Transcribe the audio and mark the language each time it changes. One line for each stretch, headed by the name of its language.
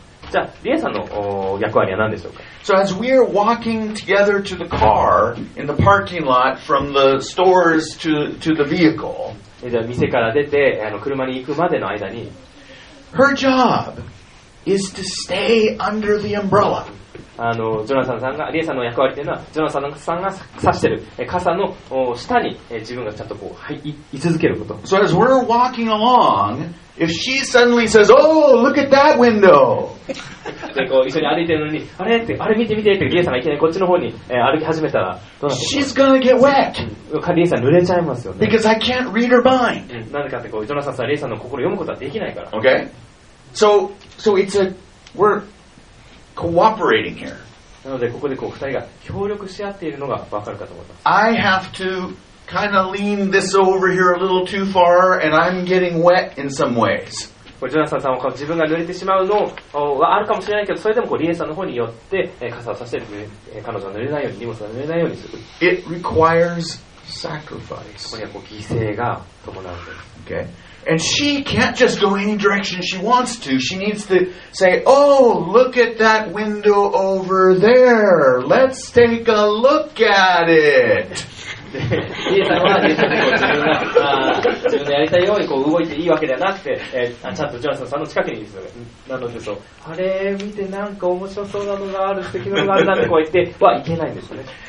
Japanese: じゃあリエさんの役割は何でしょうか。
English: So as we are walking together to the car in the parking lot from the stores to the vehicle。
Japanese: じゃあ店から出て車に行くまでの間に。
English: Her job is to stay under the umbrella。
Japanese: ジョナサンさんがリエさんの役割というのはジョナサンさんが差してる傘の下に自分がちゃんとこう い続けること。
English: So as we're walking along。 If she suddenly says, "Oh, look at that window!"
Japanese: でこう一緒に歩いてるのに、あれってあれ見て見てってリエさんがいきなりこっちの方に歩き始めたらどうなってしまう。
English: She's gonna get wet.
Japanese: リエさん濡れちゃいますよね。
English: Because I can't read her mind.
Japanese: なんでかってこうジョナサンさんはリエさんの心を読むことはできないから。
English: Okay. So it's a we're cooperating here.
Japanese: なのでここでこう二人が協力し合っているのがわかるかと思います。
English: I have to. Kind of lean this over here a little too far, and I'm getting wet in some ways.
Japanese: ジョナサンさんは自分が濡れてしまうのはあるかもしれないけど、それでもこうリエさんの方によって傘を差して彼女が濡れないように荷物が濡れないようにする。
English: It requires sacrifice.
Japanese: ここにはこう犠牲が伴うんです。
English: Okay. And she can't just go any direction she wants to. She needs to say, "Oh, look at that window over there. Let's take a look at it."
Japanese: リエさんは自分でやりたいようにこう動いていいわけではなくて、ちゃんとジョナサンさんの近くにいるなのでそうあれ見てなんか面白そうなのがある素敵なのがあるなってこう言ってはいけないんですよね。